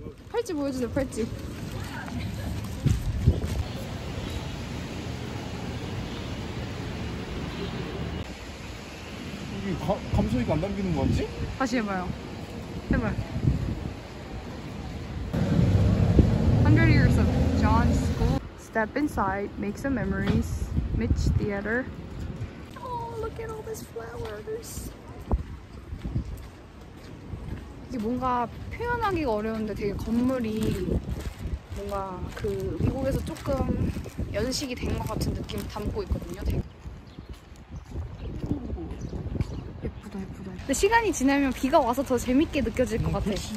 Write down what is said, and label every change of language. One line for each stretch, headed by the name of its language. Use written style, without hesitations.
Korean: 팔찌 보여주세요, 팔찌. 이게 감소기가 안 담기는 거 같지? 다시 해봐요. 해봐요.
English: Hundred years of John's school. Step inside, make some memories. Mitch Theater. Oh, look at all these flowers.
Korean: 이게 뭔가 표현하기가 어려운데 되게 건물이 뭔가 그 미국에서 조금 연식이 된 것 같은 느낌을 담고 있거든요. 되게 예쁘다, 예쁘다. 근데 시간이 지나면 비가 와서 더 재밌게 느껴질 것 같아.